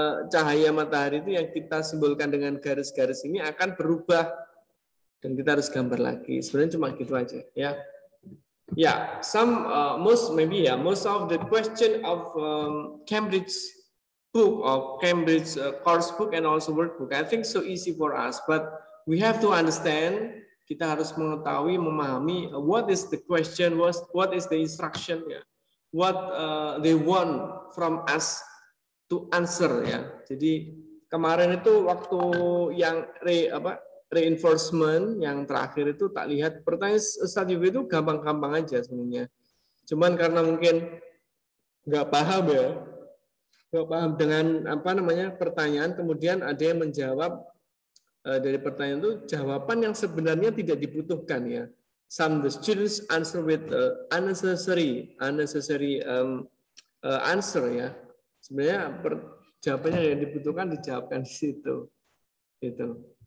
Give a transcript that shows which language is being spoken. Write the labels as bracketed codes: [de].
[id] Cahaya matahari itu yang kita simbolkan dengan garis-garis ini akan berubah dan kita harus gambar lagi. Sebenarnya cuma gitu aja, ya. [en] Ya, yeah, most of the question of Cambridge book or Cambridge course book and also workbook, I think so easy for us, but we have to understand. [id] Kita harus mengetahui, memahami [en] what is the question, what is the instruction, ya, yeah, what they want from us to answer, ya. [id] Jadi kemarin itu waktu yang reinforcement yang terakhir itu tak lihat pertanyaan Ustaz Yubi itu gampang-gampang aja sebenarnya. Cuman karena mungkin nggak paham, ya. Nggak paham dengan apa namanya pertanyaan, kemudian ada yang menjawab dari pertanyaan itu jawaban yang sebenarnya tidak dibutuhkan, ya. [en] Some the students answer with unnecessary answer, ya. [id] Sebenarnya jawabannya yang dibutuhkan dijawabkan di situ, gitu.